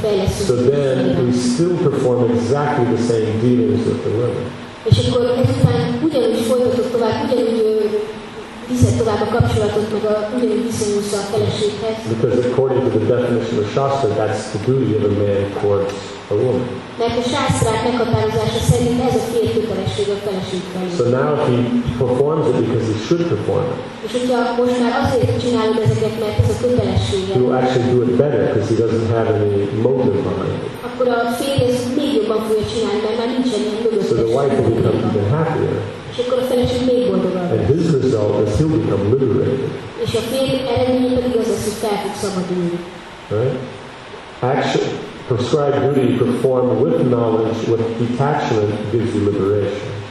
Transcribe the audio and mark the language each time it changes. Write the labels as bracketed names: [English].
[English] So then we still perform exactly the same dealings with the women. [Hungarian] És akkor ezután ugyanúgy folytatok tovább, ugyanúgy viszed tovább a kapcsolatot, meg ugyanúgy viszonyulsz a feleséghez. [English] Because according to the definition of Shastra, that's the duty of a man towards a woman. [Hungarian] Mert a Shastra meghatározása szerint ez a férfi kötelessége a feleségével. [English] So now he performs it because he should perform it. [Hungarian] És hogyha most már azért csinálod ezeket, mert ez a kötelessége. [English] He will actually do it better because he doesn't have any motive behind it. [Hungarian] Akkor a férfi ez még jobban fogja csinálni, mert már nincsen ilyen mögöttes. [English] So the wife will become even happier. [Hungarian] És akkor a feleség még boldogabb. [English] And his result is he'll become liberated. [Hungarian] És a férfi eredménye pedig az, hogy fel fog szabadulni. [English] Right? Action. prescribed duty performed with knowledge, with detachment, gives you liberation.